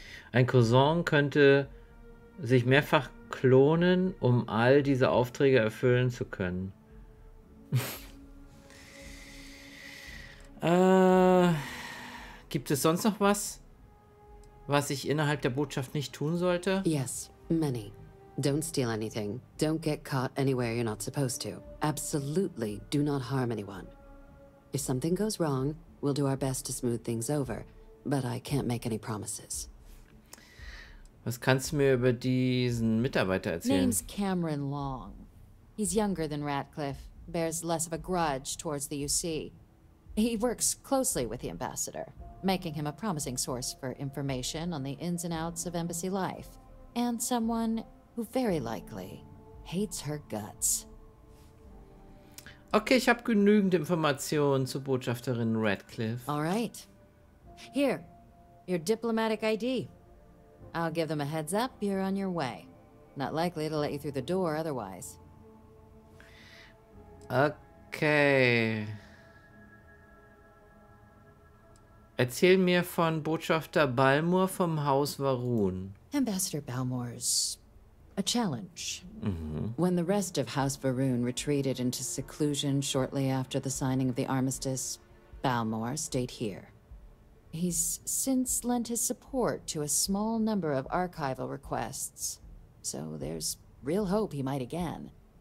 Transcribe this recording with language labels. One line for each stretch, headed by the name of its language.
German: Ein Cousin könnte sich mehrfach klonen, um all diese Aufträge erfüllen zu können. gibt es sonst noch was, was ich innerhalb der Botschaft nicht tun sollte?
English: Yes, many. Don't steal anything. Don't get caught anywhere you're not supposed to. Absolutely do not harm anyone. If something goes wrong, we'll do our best to smooth things over, but I can't make any promises. Was kannst du mir über diesen Mitarbeiter erzählen? Name's Cameron Long. He's younger than Ratcliffe, bears less of a grudge towards the UC. He works closely with the ambassador, making him a promising source for information on the ins and outs of embassy life, and someone who very likely hates her guts.
German: Okay, ich habe genügend Informationen zur Botschafterin Ratcliffe.
English: All right. Here, your diplomatic ID. I'll give them a heads up, you're on your way. Not likely to let you through the door otherwise. Okay.
German: Erzähl mir von Botschafter Balmor vom Haus Varun.
English: Ambassador Balmor's a challenge. Mm-hmm. When the rest of House Varun retreated into seclusion shortly after the signing of the armistice, Balmor stayed here. He's since lent his support to a small number of archival requests, so there's real hope he might again.